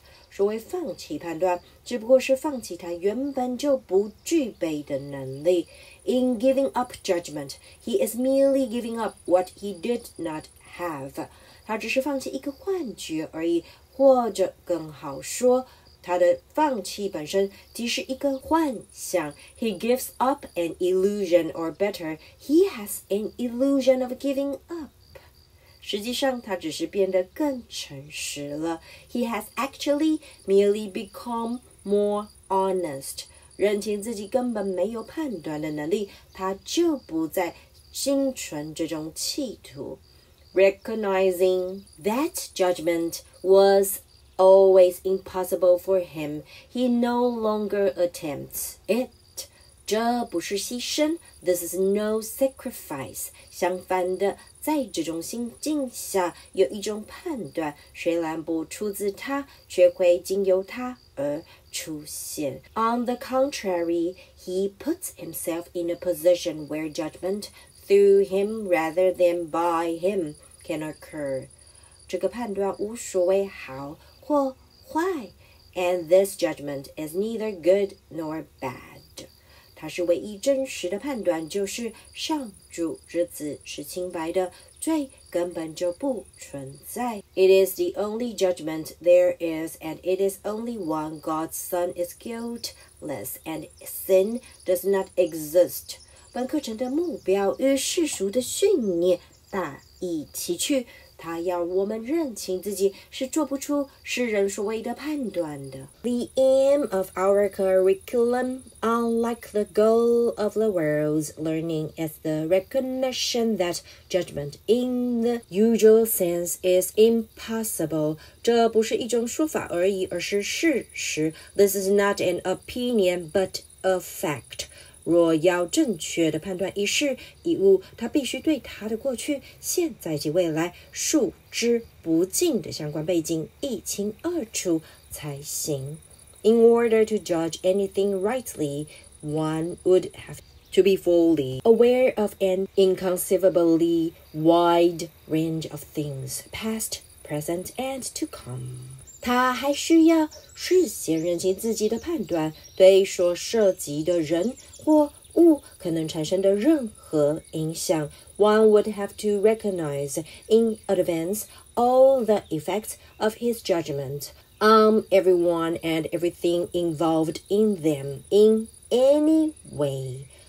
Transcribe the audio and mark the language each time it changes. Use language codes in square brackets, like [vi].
[zh] 所谓放弃判断，只不过是放弃他原本就不具备的能力。 [en] In giving up judgment, he is merely giving up what he did not have. [zh] 他只是放弃一个幻觉而已，或者更好说，他的放弃本身即是一个幻想。 [en] He gives up an illusion, or better, he has an illusion of giving up. [zh] 实际上他只是变得更诚实了。 [en] He has actually merely become more honest. [zh] 认清自己根本没有判断的能力，他就不再心存这种企图。 [en] Recognizing that judgment was always impossible for him, he no longer attempts it. [zh] 这不是牺牲， [en] this is no sacrifice. [zh] 相反的，在这种心境下，有一种判断虽然不出自他，却会经由他而出现。 [en] On the contrary, he puts himself in a position where judgment through him rather than by him can occur. [zh] 这个判断无所谓好或坏， [en] and this judgment is neither good nor bad. [zh] 它是唯一真实的判断，就是上主之子是清白的，罪根本就不存在。 [en] It is the only judgment there is, and it is only one. God's Son is guiltless, and sin does not exist. [zh] 本课程的目标与世俗的训练但一起去，他要我们认清自己是做不出世人所谓的判断的。 [en] The aim of our curriculum, unlike the goal of the world's learning, is the recognition that judgment in the usual sense is impossible. [zh] 这不是一种说法而已，而是事实。 [en] This is not an opinion, but a fact. [zh] 若要正确地判断一事一物，他必须对他的过去、现在及未来数之不尽的相关背景一清二楚才行。 [en] In order to judge anything rightly, one would have to be fully aware of an inconceivably wide range of things, past, present, and to come. [zh] 他还需要事先认清自己的判断对所涉及的人或物可能产生的任何影响。 [en] One would have to recognize in advance all the effects of his judgment on everyone and everything involved in them in any way.